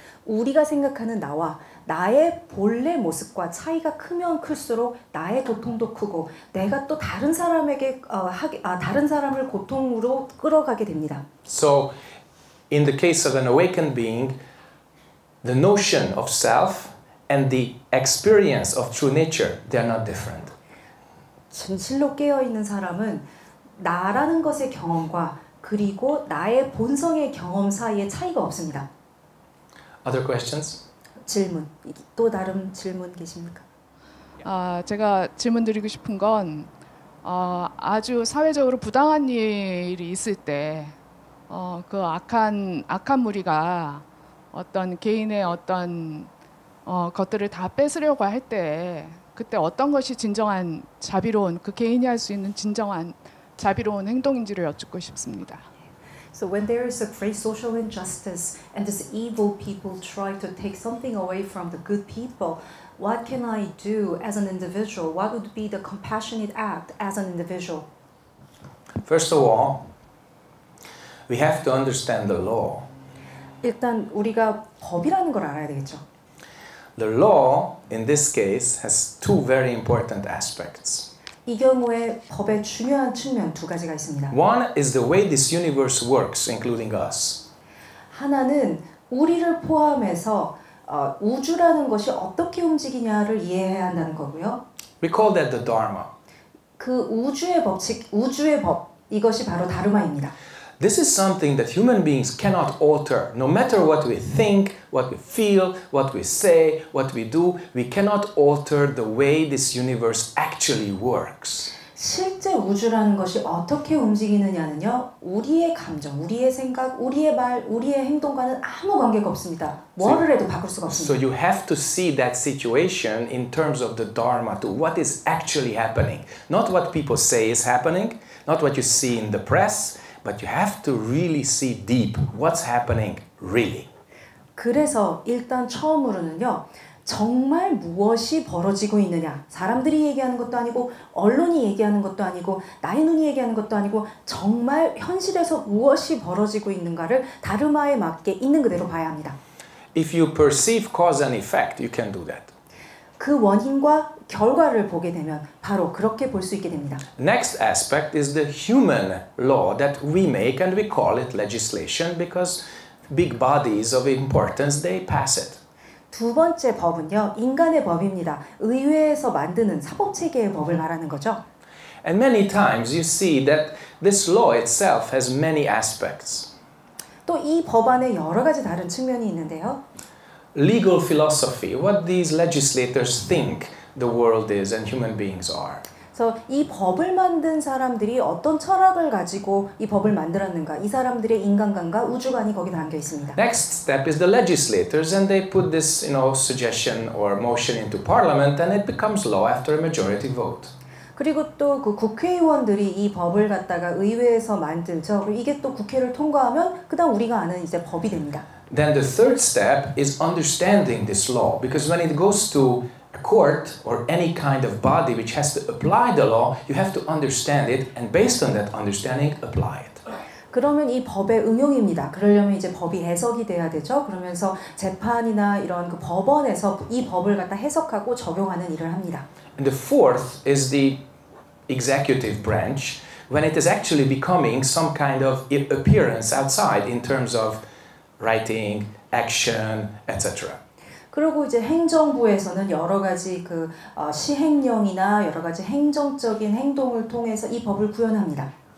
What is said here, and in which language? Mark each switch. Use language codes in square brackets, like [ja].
[ko] 우리가 생각하는 나와 나의 본래 모습과 차이가 크면 클수록 나의 고통도 크고 내가 또 다른 사람에게 다른 사람을 고통으로 끌어가게 됩니다. [en] So in the case of an awakened being, the notion of self and the experience of true nature, they are not different. [ko] 진실로 깨어 있는 사람은 나라는 것의 경험과 그리고 나의 본성의 경험 사이에 차이가 없습니다. [en] Other questions? [ko] 질문. 또 다른 질문 계십니까? 제가 질문 드리고 싶은 건 아주 사회적으로 부당한 일이 있을 때 그 악한 무리가 어떤 개인의 어떤 것들을 다 뺏으려고 할 때 그때 어떤 것이 진정한 자비로운 그 개인이 할 수 있는 진정한 자비로운 행동인지를 여쭙고 싶습니다. [en] So when there is a great social injustice and this evil people try to take something away from the good people, what can I do as an individual? What would be the compassionate act as an individual? First of all, we have to understand the law. [ko] 일단 우리가 법이라는 걸 알아야 되겠죠. [en] The law in this case has two very important aspects. [ko] 이 경우에 법의 중요한 측면 두 가지가 있습니다. [en] One is the way this universe works, including us. [ko] 하나는 우리를 포함해서 우주라는 것이 어떻게 움직이냐를 이해해야 한다는 거고요. [en] We call that the Dharma. [ko] 그 우주의 법칙, 우주의 법 이것이 바로 다르마입니다. [en] This is something that human beings cannot alter. No matter what we think, what we feel, what we say, what we do, we cannot alter the way this universe actually works. [ko] 실제 우주라는 것이 어떻게 움직이느냐는요, 우리의 감정, 우리의 생각, 우리의 말, 우리의 행동과는 아무 관계가 없습니다. 뭐를 해도 바꿀 수가 없습니다. [en] So you have to see that situation in terms of the Dharma, to what is actually happening. Not what people say is happening, not what you see in the press, but you have to really see deep what's happening really. [ko] 그래서 일단 처음으로는요, 정말 무엇이 벌어지고 있느냐, 사람들이 얘기하는 것도 아니고 언론이 얘기하는 것도 아니고 나의 눈이 얘기하는 것도 아니고 정말 현실에서 무엇이 벌어지고 있는가를 다르마에 맞게 있는 그대로 봐야 합니다. [en] If you perceive cause and effect, you can do that. [ko] 그 원인과 결과를 보게 되면 바로 그렇게 볼 수 있게 됩니다. [en] Next aspect is the human law that we make and we call it legislation because big bodies of importance, they pass it. [ko] 두 번째 법은요, 인간의 법입니다. 의회에서 만드는 사법 체계의 법을 말하는 거죠. [en] And many times you see that this law itself has many aspects. [ko] 또 이 법안에 여러 가지 다른 측면이 있는데요. [en] Legal philosophy, what these legislators think the world is and human beings are. [ko] 그래서 이 법을 만든 사람들이 어떤 철학을 가지고 이 법을 만들었는가, 이 사람들의 인간관과 우주관이 거기 담겨 있습니다. [en] Next step is the legislators, and they put this, you know, suggestion or motion into parliament, and it becomes law after a majority vote. [ko] 그리고 또 그 국회의원들이 이 법을 갖다가 의회에서 만들죠. 그리고 이게 또 국회를 통과하면 그다음 우리가 아는 이제 법이 됩니다. [en] Then the third step is understanding this law, because when it goes to court or any kind of body which has to apply the law, you have to understand it, and based on that understanding, apply it. [ko] 그러면 이 법의 응용입니다. 그러려면 이제 법이 해석이 돼야 되죠. 그러면서 재판이나 이런 그 법원에서 이 법을 갖다 해석하고 적용하는 일을 합니다. [en] And the fourth is the executive branch, when it is actually becoming some kind of appearance outside in terms of writing, action, etc. [ko] 그리고 이제 행정부에서는 여러 가지 그 시행령이나 여러 가지 행정적인 행동을 통해서 이 법을 구현합니다.